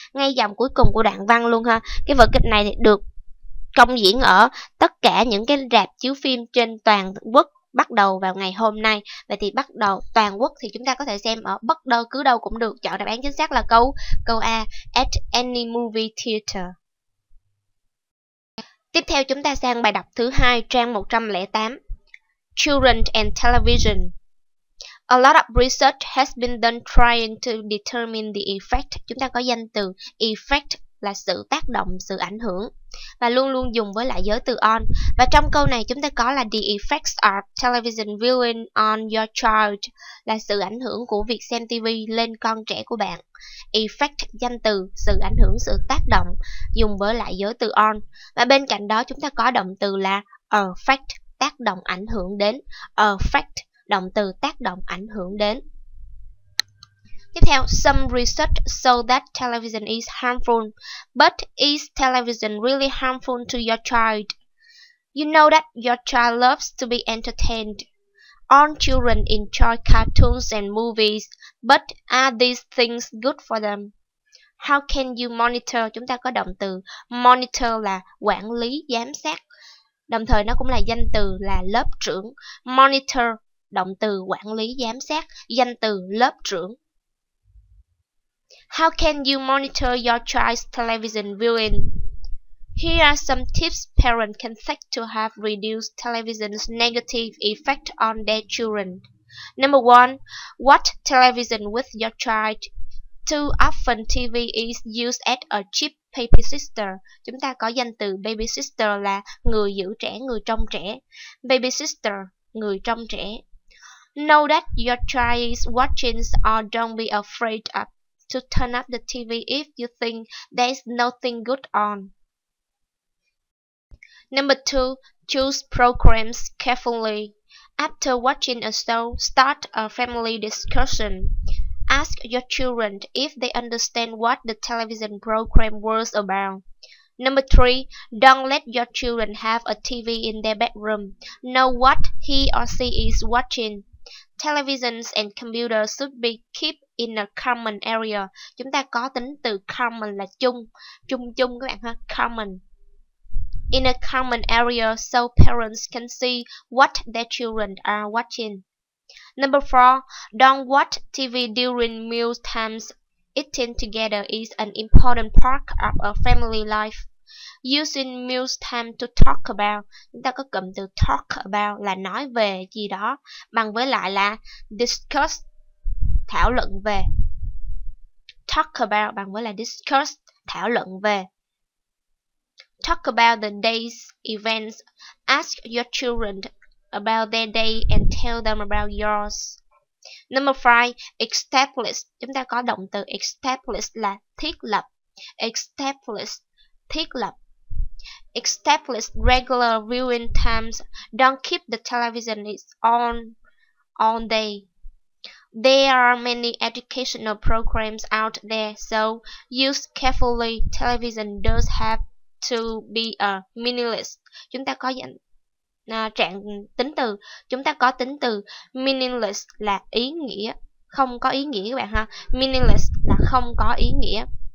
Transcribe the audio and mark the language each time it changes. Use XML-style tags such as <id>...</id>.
<vi>Ngay dòng cuối cùng của đoạn văn luôn ha. Cái vở kịch này được công diễn ở tất cả những cái rạp chiếu phim trên toàn quốc bắt đầu vào ngày hôm nay. Vậy thì bắt đầu toàn quốc thì chúng ta có thể xem ở bất cứ đâu cũng được. Chọn đáp án chính xác là câu A,</vi> <en>at any movie theater.</en> <vi>Tiếp theo chúng ta sang bài đọc thứ hai, trang 108.</vi> <en>Children and Television. A lot of research has been done trying to determine the effect.</en> <vi>Chúng ta có danh từ effect là sự tác động, sự ảnh hưởng. Và luôn luôn dùng với lại giới từ on. Và trong câu này chúng ta có là</vi> <en>the effects of television viewing on your child,</en> <vi>là sự ảnh hưởng của việc xem TV lên con trẻ của bạn. Effect, danh từ, sự ảnh hưởng, sự tác động, dùng với lại giới từ on. Và bên cạnh đó chúng ta có động từ là affect, tác động, ảnh hưởng đến. Affect, động từ, tác động, ảnh hưởng đến. Tiếp theo,</vi> <en>some research show that television is harmful. But is television really harmful to your child? You know that your child loves to be entertained. Aren't children enjoy cartoons and movies? But are these things good for them? How can you monitor?</en> <vi>Chúng ta có động từ monitor là quản lý, giám sát. Đồng thời nó cũng là danh từ là lớp trưởng. Monitor, động từ quản lý, giám sát, danh từ lớp trưởng.</vi> <en>How can you monitor your child's television viewing? Here are some tips parents can take to have reduced television's negative effect on their children. Number 1. Watch television with your child. Too often TV is used as a cheap babysitter.</en> <vi>Chúng ta có danh từ babysitter là người giữ trẻ, người trông trẻ. Babysitter, người trông trẻ.</vi> <en>Know that your child is watching or don't be afraid of to turn up the TV if you think there's nothing good on. Number 2. Choose programs carefully. After watching a show, start a family discussion. Ask your children if they understand what the television program was about. Number 3. Don't let your children have a TV in their bedroom. Know what he or she is watching. Televisions and computers should be kept in a common area.</en> <vi>Chúng ta có tính từ common là chung, chung chung các bạn ha, common.</vi> <en>In a common area so parents can see what their children are watching. Number 4, don't watch TV during meal times. Eating together is an important part of a family life. Using meal time to talk about,</en> <vi>chúng ta có cụm từ talk about là nói về gì đó, bằng với lại là discuss, thảo luận về. Talk about bằng với là discuss, thảo luận về.</vi> <en>Talk about the day's events. Ask your children about their day and tell them about yours. Number 5, establish.</en> <vi>Chúng ta có động từ establish là thiết lập.</vi> <en>Establish,</en> <vi>thiết lập.</vi> <en>Establish regular viewing times. Don't keep the television on all day. There are many educational programs out there, so use carefully. Television does have to be a meaningless.</en> <vi>Chúng ta có dạng trạng tính từ, chúng ta có tính từ meaningless là ý nghĩa, không có ý nghĩa các bạn ha. Meaningless là không có ý nghĩa.</vi>